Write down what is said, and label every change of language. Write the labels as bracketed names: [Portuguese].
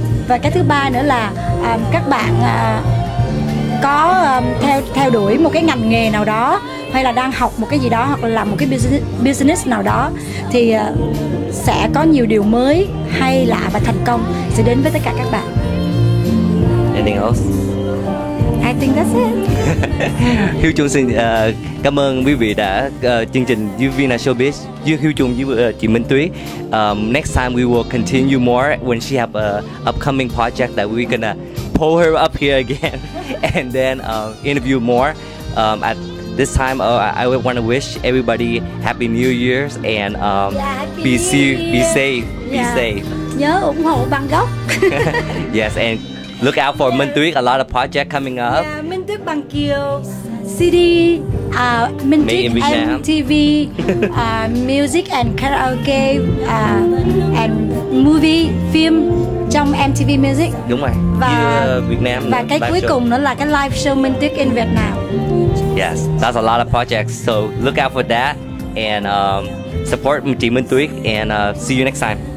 [Vietnamese] Và cái thứ ba nữa là các bạn có theo đuổi một cái ngành nghề nào đó, hay là đang học một cái gì đó, hoặc là làm một cái business nào đó, thì sẽ có nhiều điều mới, hay lạ và thành công sẽ đến với tất cả các bạn. [English] Anything else? I think that's it. [Vietnamese] Hiếu Trung xin cảm ơn quý vị đã chương trình với Vina Showbiz, với Hiếu Trung, với chị Minh Tuyết. [English] Next time we will continue more when she have a upcoming project that we're gonna pull her up here again and then interview more. At this time, I want to wish everybody Happy New Year's, and be safe. [Vietnamese] Nhớ ủng hộ Bằng Gốc. [English] Yes, and look out for Minh Tuyết, a lot of project coming up. Yeah, Minh Tuyết Bằng Kiều CD, Minh Tuyết MTV, music and karaoke, and movie, [Vietnamese] phim trong [English] MTV Music. [Vietnamese] Đúng rồi. Và Việt Nam. Và cái cuối cùng nữa là cái live show Minh Tuyết in Việt Nam. [English] Yes, that's a lot of projects. So look out for that and support chị Minh Tuyết, and see you next time.